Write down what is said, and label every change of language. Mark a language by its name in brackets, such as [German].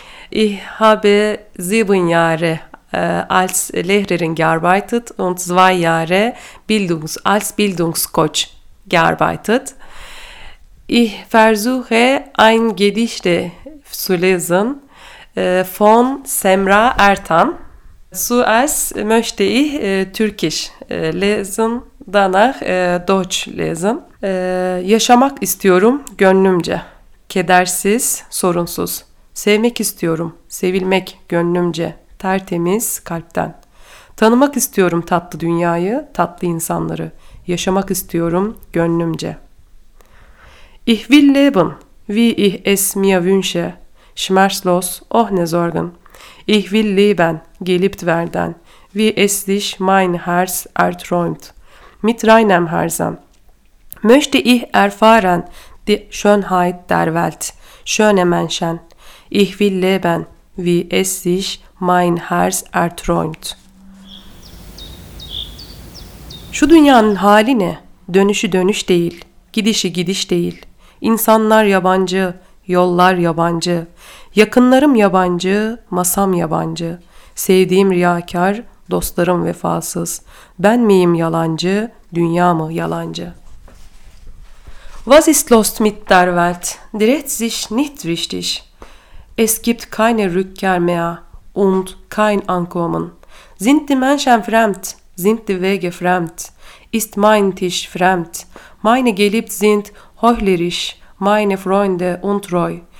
[German] Ich habe 7 Jahre als Lehrerin gearbeitet und 2 Jahre als Bildungscoach gearbeitet. Ich versuche ein Gedicht zu lesen von Semra Ertan. Zuerst möchte ich Türkisch lesen, danach Deutsch lesen. [Turkish] Yaşamak istiyorum gönlümce, kedersiz, sorunsuz. Sevmek istiyorum, sevilmek gönlümce, tertemiz kalpten. Tanımak istiyorum tatlı dünyayı, tatlı insanları. Yaşamak istiyorum gönlümce. [German] Ich will leben, wie ich es mir wünsche. Schmerzlos, ohne Sorgen. Ich will leben, geliebt werden, wie es sich mein Herz erträumt. Mit reinem Herzen. Möchte ich erfahren die Schönheit der Welt, schöne Menschen. Ich will leben, wie es sich mein Herz erträumt. [Turkish] Şu dünyanın hali ne? Dönüşü dönüş değil, gidişi gidiş değil. İnsanlar yabancı, yollar yabancı. Yakınlarım yabancı, masam yabancı. Sevdiğim riyakar, dostlarım vefasız. Ben miyim yalancı, dünya mı yalancı? [German] Was ist los mit der Welt? Dreht sich nicht richtig. Es gibt keine Rückkehr mehr und kein Ankommen. Sind die Menschen fremd? Sind die Wege fremd? Ist mein Tisch fremd? Meine Geliebt sind heuchlerisch, meine Freunde untreu.